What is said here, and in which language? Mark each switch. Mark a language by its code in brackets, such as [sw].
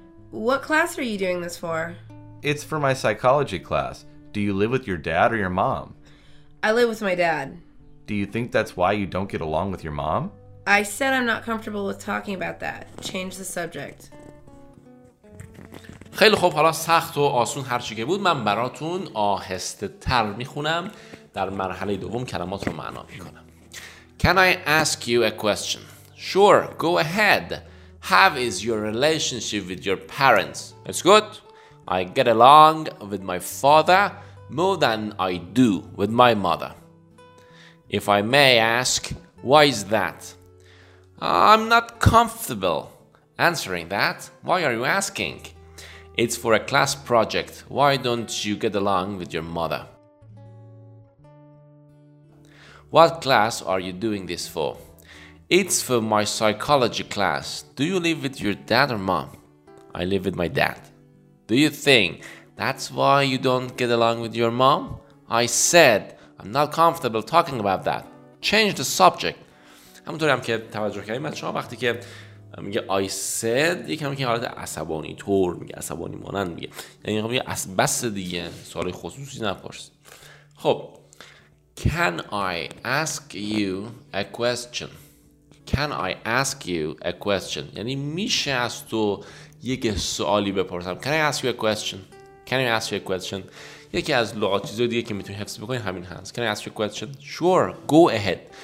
[en] What class are you doing this for? It's for my psychology class. Do you live with your dad or your mom? I live with my dad. Do you think that's why you don't get along with your mom? I said I'm not comfortable with talking about that. Change the subject. [fa] خیلی خوب، حالا سخت و آسون هرچی که بود من براتون آهسته تر میخونم، در مرحله دوم کلمات رو معنا میکنم. [en] Can I ask you a question? Sure, go ahead. How is your relationship with your parents? It's good. I get along with my father more than I do with my mother. If I may ask, why is that? I'm not comfortable answering that. Why are you asking? It's for a class project. Why don't you get along with your mother? What class are you doing this for? It's for my psychology class. Do you live with your dad or mom? I live with my dad. Do you think that's why you don't get along with your mom? I said I'm not comfortable talking about that. Change the subject. [fa] همونطوری هم که توجه کردیم از شما، وقتی که میگه I said، یه کمی که حالت عصبانی طور میگه، عصبانی مانند میگه، یعنی میگه بس دیگه، سوال خصوصی نپرس. [en] خب Can I ask you a question? Can I ask you a question؟ [fa] یعنی میشه از تو یک سوالی بپرسم؟ [en] Can I ask you a question؟ Can I ask you a question؟ [fa] یکی از لغات چیزهای دیگه که میتونی حفظ بکنی همین هست. [en] Can I ask you a question؟ Sure, go ahead.